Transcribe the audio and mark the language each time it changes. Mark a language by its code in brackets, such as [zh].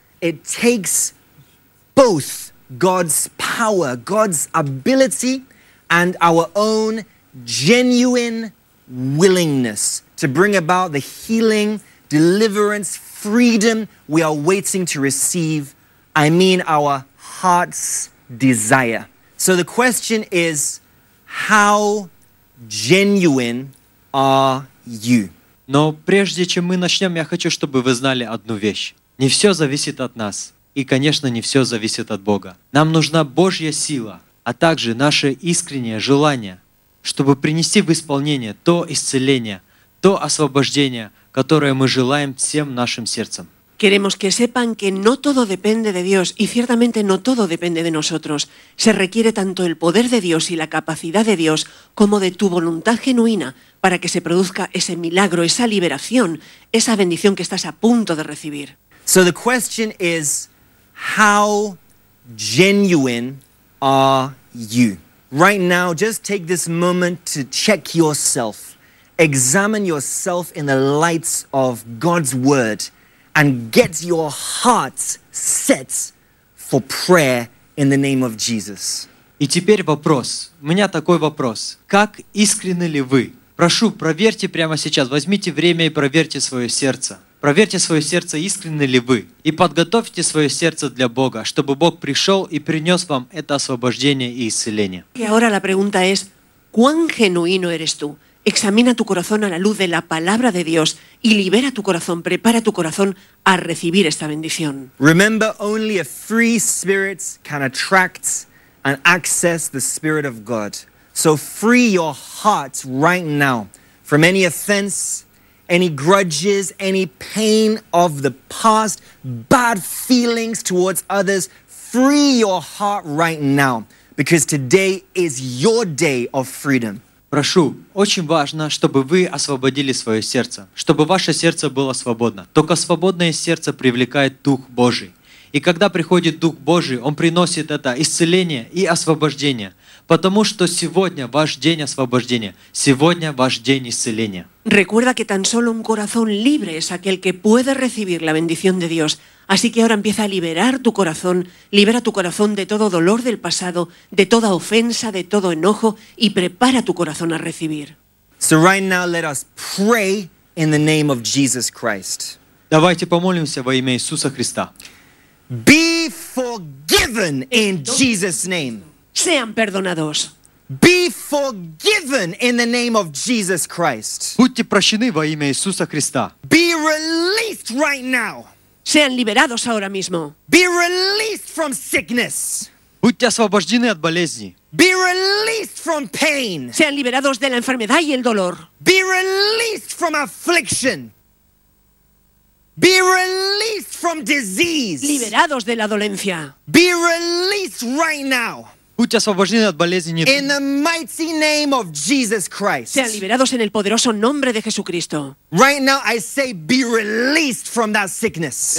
[en] It takes both God's power, God's ability, and our own genuine willingness to bring about the healing, deliverance, freedom we are waiting to receive. I mean our heart's desire. So the question is, how genuine are you? [ru] Но прежде чем мы начнем, я хочу, чтобы вы знали одну вещь. Не все зависит от нас. И, конечно, не все зависит от Бога. Нам нужна Божья сила. а также наше искреннее желание, чтобы принести в исполнение то исцеление, то освобождение, которое мы желаем всем нашим сердцем. [es] Queremos que sepan que no todo depende de Dios y ciertamente no todo depende de nosotros. Se requiere tanto el poder de Dios y la capacidad de Dios como de tu voluntad genuina para que se produzca ese milagro, esa liberación, esa bendición que estás a punto de recibir. [en] So the question is, how genuine are you? Right now, just take this moment to check yourself. Examine yourself in the lights of God's word. And get your heart set for prayer in the name of Jesus. [ru] И теперь вопрос. У меня такой вопрос. Как искренны ли вы? Прошу, проверьте прямо сейчас. Возьмите время и проверьте свое сердце. Проверьте свое сердце, искренны ли вы. И подготовьте свое сердце для Бога, чтобы Бог пришел и принес вам это освобождение и исцеление. [es] И ahora la pregunta es, ¿cuán genuino eres tú? Examina tu corazón a la luz de la palabra de Dios y libera tu corazón, prepara tu corazón a recibir esta bendición. [en] Remember, only a free spirit can attract and access the Spirit of God. So free your heart right now from any offense, any grudges, any pain of the past, bad feelings towards others. Free your heart right now, because today is your day of freedom. [ru] Прошу, очень важно, чтобы вы освободили свое сердце, чтобы ваше сердце было свободно. Только свободное сердце привлекает Дух Божий. И когда приходит Дух Божий, Он приносит это исцеление и освобождение. Потому что сегодня ваш день освобождения, сегодня ваш день исцеления. [es] Recuerda que tan solo un corazón libre es aquel que puede recibir la bendición de Dios. Así que ahora empieza a liberar tu corazón, libera tu corazón de todo dolor del pasado, de toda ofensa, de todo enojo y prepara tu corazón a recibir. [en] So right now let us pray in the name of Jesus Christ. [ru] Давайте помолимся во имя Иисуса Христа. [en] Be forgiven in Jesus' name. [es] Sean perdonados. [en] Be forgiven in the name of Jesus Christ. [ru] Будьте прощены во имя Иисуса Христа. [en] Be released right now. [es] Sean liberados ahora mismo. [en] Be released from sickness. [ru] Будьте освобождены от болезни. [en] Be released from pain. [es] Sean liberados de la enfermedad y el dolor. [en] Be released from affliction. Be released from disease. [es] Liberados de la dolencia. [en] Be released right now. [ru] Будьте освобождены от болезни. [en] Нет. In the mighty name of Jesus Christ. [es] Sean liberados en el poderoso nombre de Jesucristo. [en] Right now I say be released from that sickness.